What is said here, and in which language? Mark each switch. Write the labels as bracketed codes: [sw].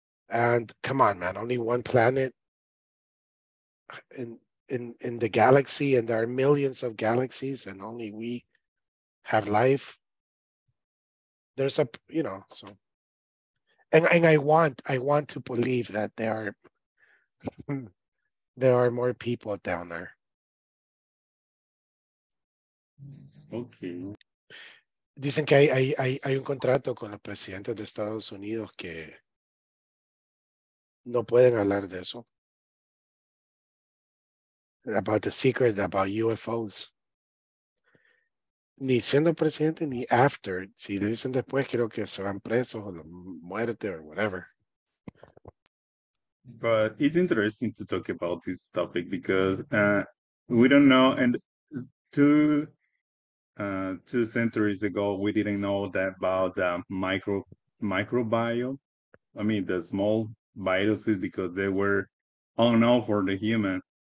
[en] And come on, man, only one planet in the galaxy, and there are millions of galaxies, and only we have life. There's a, you know, so. And I want to believe that there are more people down there. Okay. [es] Dicen que hay un contrato con los presidentes de Estados Unidos que no pueden hablar de eso. [en] About the secret, about UFOs. [es] Ni siendo presidente ni [en] after. [es] Si le dicen después, creo que se van presos o muerte [en] or whatever. But it's interesting to talk about this topic because we don't know. And two centuries ago, we didn't know that about the microbiome. I mean, the small viruses, because they were unknown for the human.